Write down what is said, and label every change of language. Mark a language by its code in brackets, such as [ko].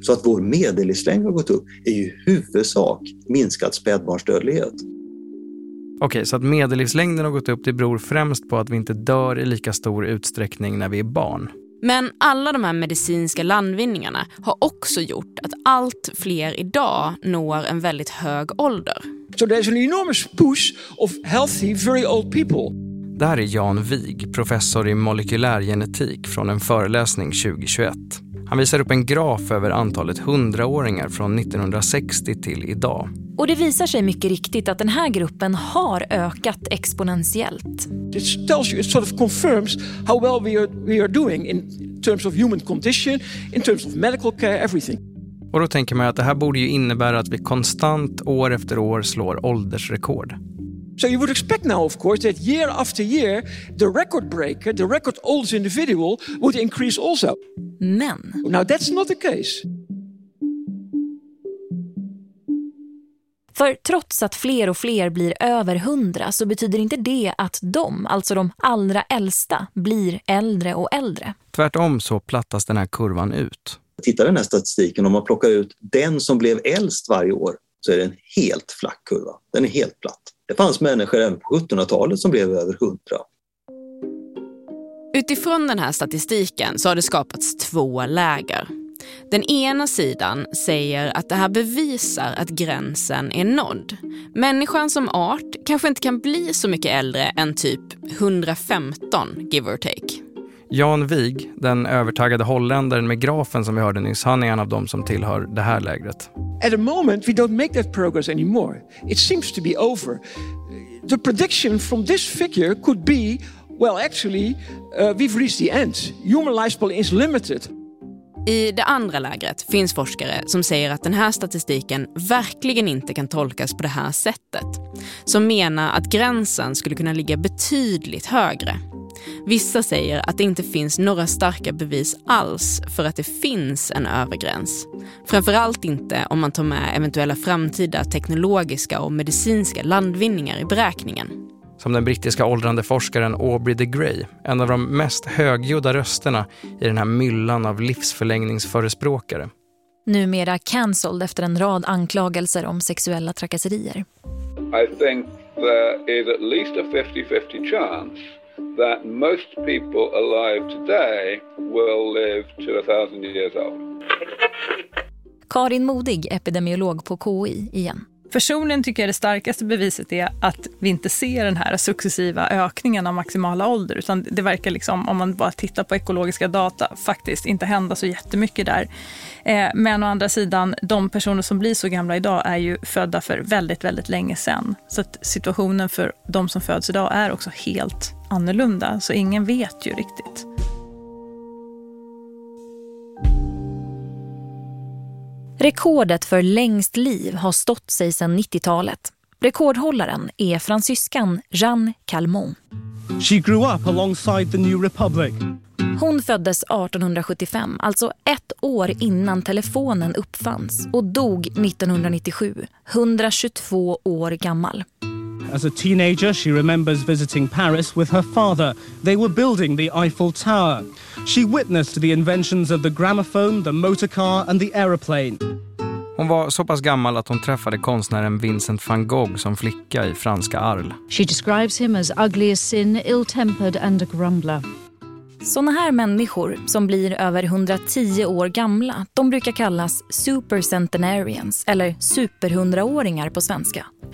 [sv] Så att vår medellivslängd har gått upp är ju huvudsak minskad spädbarnsdödlighet. Okej, så att medellivslängden har gått upp, det beror främst på att vi inte dör i lika stor utsträckning när vi är barn. Men alla de här medicinska landvinningarna har också gjort att allt fler idag når en väldigt hög ålder. [en] So there's an enormous push of healthy, very old people. [sv] Det här är Jan Wig, professor i molekylär genetik från en föreläsning 2021. Han visar upp en graf över antalet 100-åringar från 1960 till idag. Och det visar sig mycket riktigt att den här gruppen har ökat exponentiellt. [en] It tells you, it sort of confirms how well we are doing in terms of human condition, in terms of medical care, everything. [sv] Och då tänker man att det här borde ju innebära att vi konstant år efter år slår åldersrekord. [en] So you would expect now of course that year after year the record breaker, the record oldest individual would increase also. [sv] Men. [en] Now that's not the case. [sv] För trots att fler och fler blir över 100 så betyder inte det att de, alltså de allra äldsta, blir äldre och äldre. Tvärtom så plattas den här kurvan ut. Tittar den här statistiken, om man plockar ut den som blev äldst varje år så är det en helt flack kurva. Den är helt platt. Det fanns människor även på 1700-talet som blev över 100. Utifrån den här statistiken så har det skapats två läger. Den ena sidan säger att det här bevisar att gränsen är nådd. Människan som art kanske inte kan bli så mycket äldre än typ 115, [en] give or take. [sv] Jan Wig, den övertagade holländaren med grafen som vi hörde nyss, han är en av dem som tillhör det här lägret. [en] At the moment we don't make that progress anymore. It seems to be over. The prediction from this figure could be, well actually, we've reached the end. Human lifespan is limited. [sv] I det andra lägret finns forskare som säger att den här statistiken verkligen inte kan tolkas på det här sättet. Som menar att gränsen skulle kunna ligga betydligt högre. Vissa säger att det inte finns några starka bevis alls för att det finns en övergräns. Framförallt inte om man tar med eventuella framtida teknologiska och medicinska landvinningar i beräkningen. Som den brittiska åldrande forskaren Aubrey de Grey, en av de mest högljudda rösterna i den här myllan av livsförlängningsförespråkare. Numera cancelled efter en rad anklagelser om sexuella trakasserier. [en] I think there is at least a 50-50 chance that most people alive today will live to 1000 years old. [sv] Karin Modig, epidemiolog på KI igen. Personligen tycker jag det starkaste beviset är att vi inte ser den här successiva ökningen av maximala ålder, utan det verkar liksom, om man bara tittar på ekologiska data, faktiskt inte hända så jättemycket där. Men å andra sidan, de personer som blir så gamla idag är ju födda för väldigt, väldigt länge sedan. Så att situationen för de som föds idag är också helt annorlunda, så ingen vet ju riktigt. Rekordet för längst liv har stått sig sedan 90-talet. Rekordhållaren är fransyskan Jeanne Calmon. [en] She grew up alongside the new republic. [sv] Hon föddes 1875, alltså ett år innan telefonen uppfanns, och dog 1997, 122 år gammal. [en] As a teenager, she remembers visiting Paris with her father. They were building the Eiffel Tower. She witnessed the inventions of the gramophone, the motorcar and the aeroplane. [sv] Hon var så pass gammal att hon träffade konstnären Vincent van Gogh som flicka i franska Arles. [en] She describes him as ugly as sin, ill-tempered and a grumbler. [sv] Såna här människor som blir över 110 år gamla, de brukar kallas supercentenarians, eller superhundraåringar på svenska.